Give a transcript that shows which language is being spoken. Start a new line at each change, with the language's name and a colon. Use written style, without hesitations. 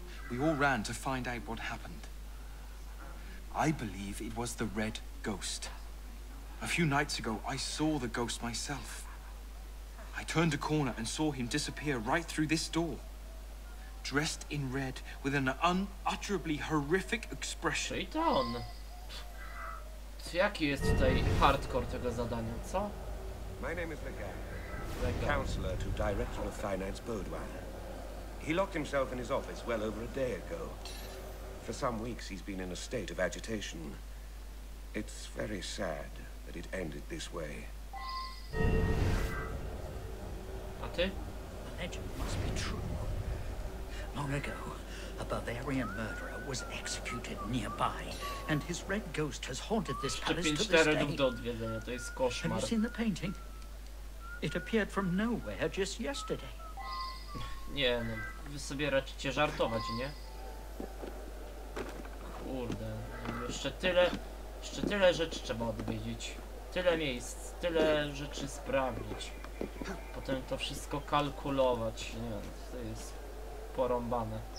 English: We all ran to find out what happened. I believe it was the Red Ghost. A few nights ago, I saw the ghost myself. I turned a corner and saw him disappear right through this door. Dressed in red, with an unutterably horrific expression.
Polish: Czyli to on. Co, jaki jest tutaj hardcore tego zadania, co?
English: My name is Legan, counselor to director of finance Baudouin. He locked himself in his office well over a day ago. For some weeks he's been in a state of agitation. It's very sad that it ended this way.
Polish: A ty?
English: The legend must be true. Long ago, a Bavarian murderer was executed nearby, and his red ghost has haunted this palace to this day.
Polish: Do odwiedzenia, to jest koszmar.
English: Have you seen the painting? It appeared from nowhere just yesterday.
Polish: Nie, no, wy sobie raczycie żartować, nie? Kurde, jeszcze tyle rzeczy trzeba odwiedzić. Tyle miejsc, tyle rzeczy sprawdzić. Potem to wszystko kalkulować, nie, to jest... porąbane.